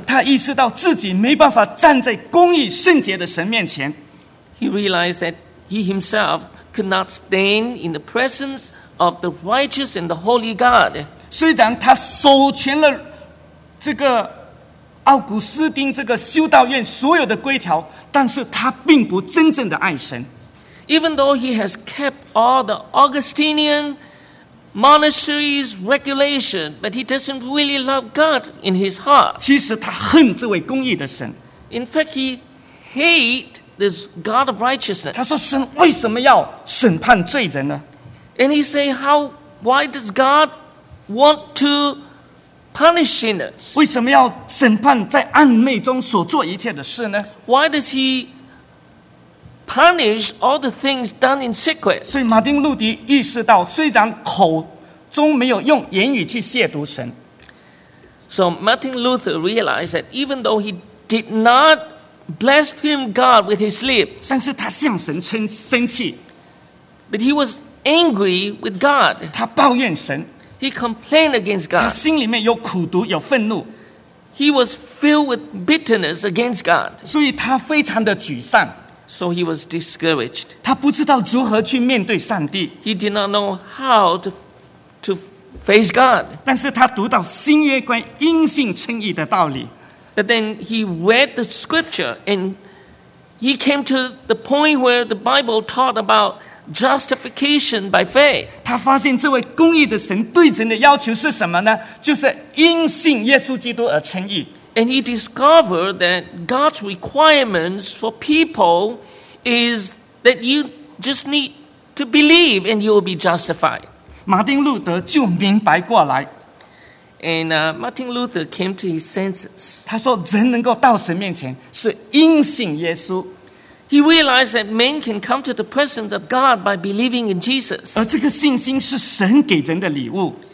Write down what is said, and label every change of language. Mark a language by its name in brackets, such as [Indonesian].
[Chinese] 他意识到自己没办法站在公义圣洁的神面前。 [English] He realized that he himself could not stand in the presence of the righteous and the holy God. [Chinese] 虽然他守全了这个奥古斯丁这个修道院所有的规条，但是他并不真正的爱神。 [English] Even though he has kept all the Augustinian monasteries regulation, but he doesn't really love God in his heart. [Chinese] 其实他恨这位公义的神。 [English] In fact, he hates this God of righteousness. [Chinese] 他说神为什么要审判罪人呢？ [English] And he say, how, why does God want to punish sinners? [Chinese] 为什么要审判在暗昧中所做一切的事呢？ [English] Why does he punish all the things done in secret? [Chinese] 所以马丁路迪意识到，虽然口中没有用言语去亵渎神。 [English] So Martin Luther realized that even though he did not blaspheme God with his lips, [Chinese] 但是他向神生气。 [English] But he was angry with God. [Chinese] 他抱怨神。 [English] He complained against God. [Chinese] 他心里面有苦毒，有愤怒。 [English] He was filled with bitterness against God. [Chinese] 所以他非常的沮丧。 [English] So he was discouraged. [Chinese] 他不知道如何去面对上帝。 [English] He did not know how to face God. [Chinese] 但是他读到新约关于因信称义的道理。 [English] But then he read the scripture and he came to the point where the Bible taught about justification by faith. [Chinese] 他发现这位公义的神对人的要求是什么呢？就是因信耶稣基督而称义。 [English] And he discovered that God's requirements for people is that you just need to believe and you will be justified. [Chinese] 马丁路德就明白过来。 [English] And Martin Luther came to his senses. [Chinese] 他说人能够到神面前是因信耶稣。 [English] He realized that man can come to the presence of God by believing in Jesus. [Chinese] 而这个信心是神给人的礼物。